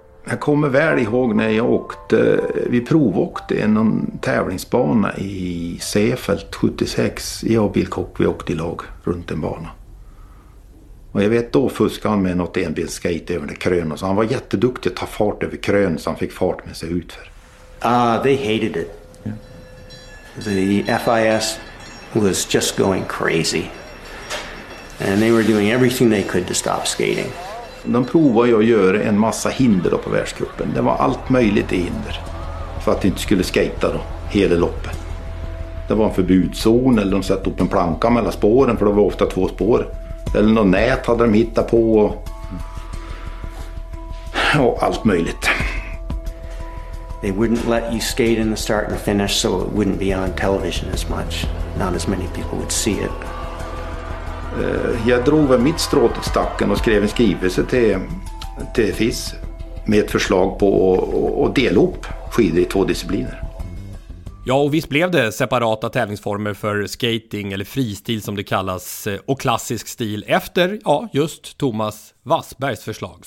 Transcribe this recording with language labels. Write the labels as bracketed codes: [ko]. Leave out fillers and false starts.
[sv] Jag kommer väl ihåg när jag åkte, vi provåkte en tävlingsbana i Seefeld 76. Jag och Bill Cook, vi åkte i lag runt en bana. Och jag vet, då fuskade han med något enbilskate över det krön. Och så han var jätteduktig att ta fart över krön, så han fick fart med sig ut för. [en] They hated it. Yeah. The FIS was just going crazy. And they were doing everything they could to stop skating. [sv] De provade att göra en massa hinder på världskuppen. Det var allt möjligt i hinder. För att de inte skulle skata då, hela loppet. Det var en förbudszon, eller de satte upp en planka mellan spåren, för det var ofta två spår. Eller något nät hade de hittat på. Och allt möjligt. [en] They wouldn't let you skate in the start and finish, so it wouldn't be on television as much. Not as many people would see it. [sv] Jag drog mitt strå till stacken och skrev en skrivelse till FIS med ett förslag på att dela upp skidor i två discipliner. Ja, och visst blev det separata tävlingsformer för skating, eller fristil som det kallas, och klassisk stil efter, ja, just Thomas Wassbergs förslag.